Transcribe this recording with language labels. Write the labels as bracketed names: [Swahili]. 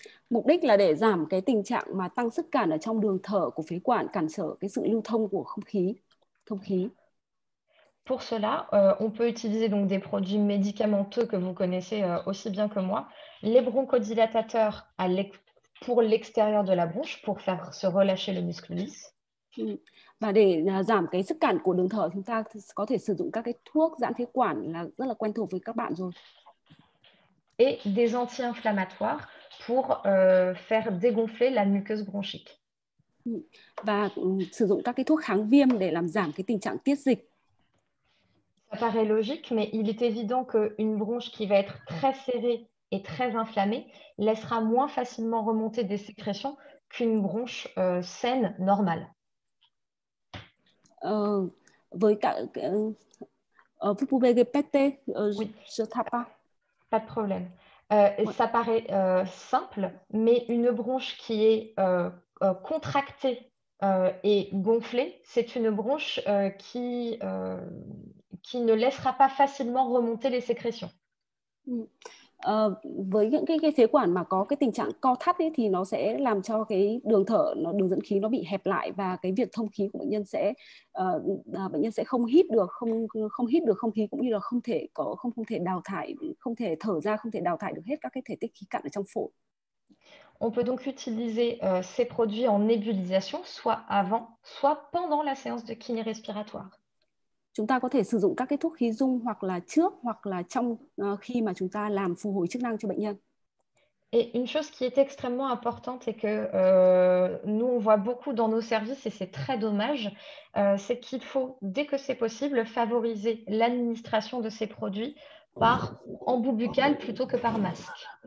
[Vietnamese] Mục đích là để giảm cái tình trạng mà tăng sức cản ở trong đường thở của phế quản, cản trở cái sự lưu thông của không khí. [French] Pour cela, on peut utiliser donc des produits médicamenteux que vous connaissez aussi bien que moi, les bronchodilatateurs à l'écoulement. Pour l'extérieur de la bronche, pour faire se relâcher le muscle lisse. [Vietnamese] Và để giảm cái sức cản của đường thở, chúng ta có thể sử dụng các cái thuốc giãn phế quản là rất là quen thuộc với các bạn rồi. [French] Et des anti-inflammatoires pour faire dégonfler la muqueuse bronchique. [Vietnamese] Và sử dụng các cái thuốc kháng viêm để làm giảm cái tình trạng tiết dịch. [French] Ça paraît logique, mais il est évident qu'une bronche qui va être très serrée et très inflammée, laissera moins facilement remonter des sécrétions qu'une bronche saine normale. [Vietnamese] Với cả [French] vous pouvez répéter Oui, je tape pas. pas de problème. Ça paraît simple, mais une bronche qui est contractée et gonflée, c'est une bronche qui ne laissera pas facilement remonter les sécrétions. [Vietnamese] Với những cái phế quản mà có cái tình trạng co thắt ấy, thì nó sẽ làm cho cái đường thở nó đường dẫn khí nó bị hẹp lại, và cái việc thông khí của bệnh nhân sẽ không hít được không không hít được không khí, cũng như là không thể có không không thể đào thải, không thể thở ra, không thể đào thải được hết các cái thể tích khí cặn ở trong phổi. [French] On peut donc utiliser ces produits en nébulisation, soit avant, soit pendant la séance de kiné respiratoire. [Vietnamese] Chúng ta có thể sử dụng các cái thuốc khí dung hoặc là trước hoặc là trong khi mà chúng ta làm phục hồi chức năng cho bệnh nhân. [French] Et une chose qui est extrêmement importante et que nous on voit beaucoup dans nos services et c'est très dommage, c'est qu'il faut, dès que c'est possible, favoriser l'administration de ces produits par en bout buccal plutôt que par masque.